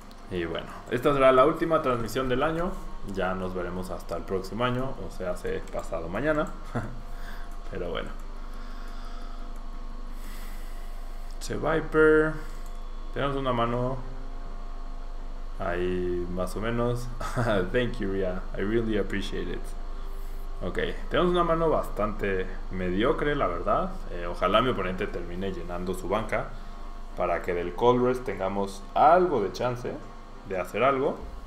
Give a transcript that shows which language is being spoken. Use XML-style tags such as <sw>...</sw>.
<es>Y bueno, esta será la última transmisión del año. Ya nos veremos hasta el próximo año, o sea, hace pasado mañana. Pero bueno, Seviper, tenemos una mano ahí más o menos.</es> <en>Thank you, Ria, I really appreciate it.</en> <es>Ok, tenemos una mano bastante mediocre, la verdad. Ojalá mi oponente termine llenando su banca para que del Colress tengamos algo de chance de hacer algo.</es>